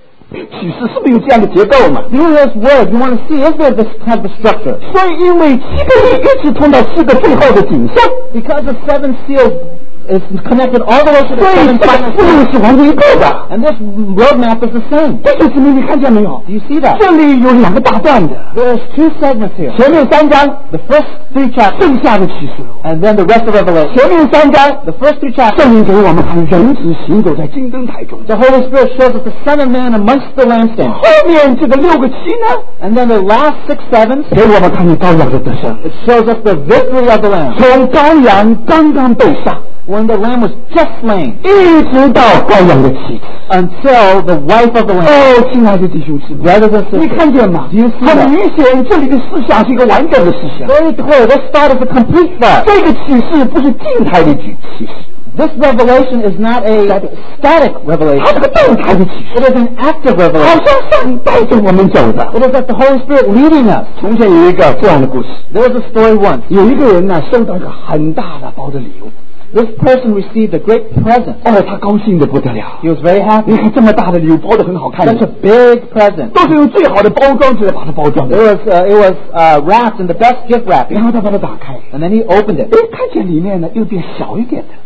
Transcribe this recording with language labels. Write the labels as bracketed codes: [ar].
[en] Through this word, you want to see is there this type of structure? [zh] 所以因为七个印一直通到四个最后的景象 [en] Because the seven seals is connected all the way to the seven seals. [zh] 所以这四个是完全一个的 [en] And this road map is the same. [zh] 弟兄姊妹，你看见没有？ [en] Do you see that? [zh] 这里有两个大段的 [en] There's two segments here. [zh] 前面三章 [en] The first three chapters. [zh] 剩下的启示录 [en] And then the rest of Revelation. [zh] 前面三章 [en] The first three chapters. [zh] 圣灵给我们看人子行走在金灯台中 [en] The Holy Spirit shows us the Son of Man amongst the lampstands. [zh] 后面这个六个七呢？ [en] And then the last six sevens. [zh] 给我们看见羔羊的得胜 [en] It shows us the victory of the Lamb. [zh] 从羔羊刚刚被杀。 [en] When the lamb was just slain, [zh] 一直到羔羊的妻子 [en] until the wife of the lamb. [zh] 哦，亲爱的弟兄姊妹 [en] ，brothers and sisters， [zh] 你看见吗？他们明显这里的思想是一个完整的思想。 [en] Very clear. This thought is a complete thought. [zh] 这个启示不是静态的启示。 [en] This revelation is not a static revelation. [zh] 它是个动态的启示。 [en] It is an active revelation. [zh] 好像上帝带着我们走的。 [en] It is like the Holy Spirit leading us. [zh] 从前有一个这样的故事。 [en] There was a story once. [zh] 有一个人呢，收到一个很大的包的礼物。 [en] This person received a great present. [zh] 哦，他高兴得不得了。 [en] He was very happy. [zh] 你看这么大的礼物，包得很好看。 [en] Such a big present. [zh] 都是用最好的包装纸把它包装的。 [en] It was wrapped in the best gift wrapping. [zh] 然后他把它打开。 [en] And then he opened it. [zh] 哎，看见里面呢，又变小一点的。